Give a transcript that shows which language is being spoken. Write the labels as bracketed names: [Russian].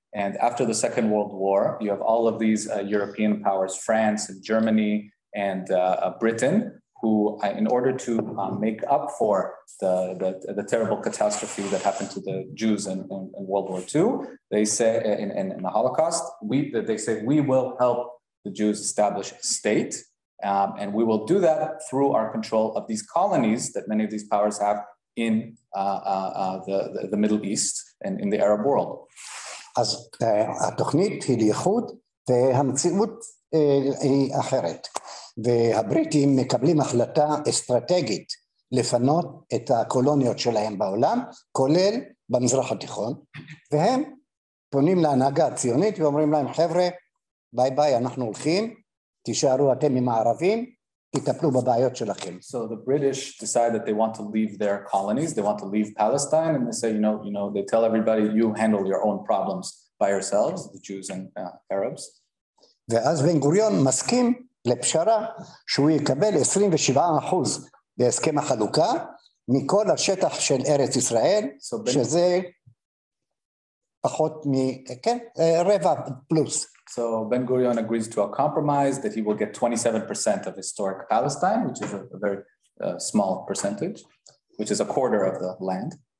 [English] And after the Second World War, you have all of these European powers, France and Germany and Britain, who, in order to make up for the terrible catastrophe that happened to the Jews in World War II, they say in the Holocaust, we will help the Jews establish a state. And we will do that through our control of these colonies that many of these powers have in the Middle East and in the Arab world. [Hebrew] אז התוכנית היא לייחוד והמציאות היא אחרת. והבריטים מקבלים החלטה אסטרטגית לפנות את הקולוניות שלהם בעולם, כולל במזרח התיכון, והם פונים להנהגה הציונית ואומרים להם, חבר'ה, ביי ביי, אנחנו הולכים. תישארו אתם עם הערבים, תטפלו בבעיות שלכם. [English] So the British decide that they want to leave their colonies, they want to leave Palestine, and they say, you know, they tell everybody, you handle your own problems by yourselves, the Jews and Arabs. [Hebrew] ואז בן גוריון מסכים לפשרה שהוא יקבל 27% בהסכם החלוקה מכל השטח של ארץ ישראל, שזה פחות רבע פלוס. [English] So Ben-Gurion agrees to a compromise that he will get 27% of historic Palestine, which is a very small percentage, which is a quarter of the land.